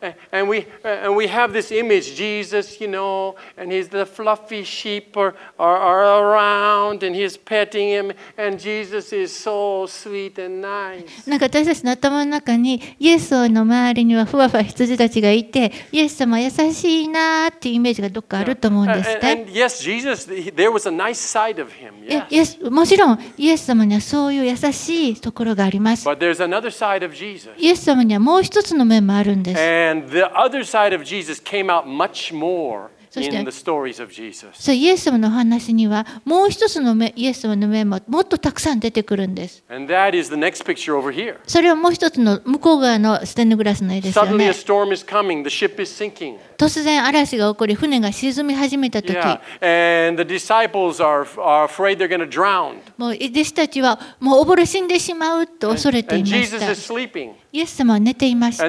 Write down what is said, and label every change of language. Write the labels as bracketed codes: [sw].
[en] And we have this image, Jesus, you know, and he's the fluffy sheep are around and he's petting him and Jesus is so sweet and nice. [ja] なんか私たちの頭の中にイエス様の周りにはふわふわ羊たちがいてイエス様優しいなっていうイメージがどっかあると思うんですって。 [en] Yes, Jesus. There was a nice side of him. Yes. [ja] もちろんイエス様にはそういう優しいところがあります。 [en] But there's another side of Jesus. イエス様にはもう一つの面もあるんです。 And the other side of Jesus came out much more. そして、in the stories of Jesus. [ja] そう、イエス様のお話にはもう一つのイエス様の面ももっとたくさん出てくるんです。 [en] And that is the next picture over here. [ja] それはもう一つの向こう側のステンドグラスの絵ですよね。 [en] Suddenly a storm is coming. The ship is sinking. [ja] 突然嵐が起こり船が沈み始めた時。 [en] Yeah. And the disciples are afraid they're going to drown. [ja] もう弟子たちはもう溺れ死んでしまうと恐れていました。 [en] And Jesus is sleeping. [ja] イエス様は寝ていました。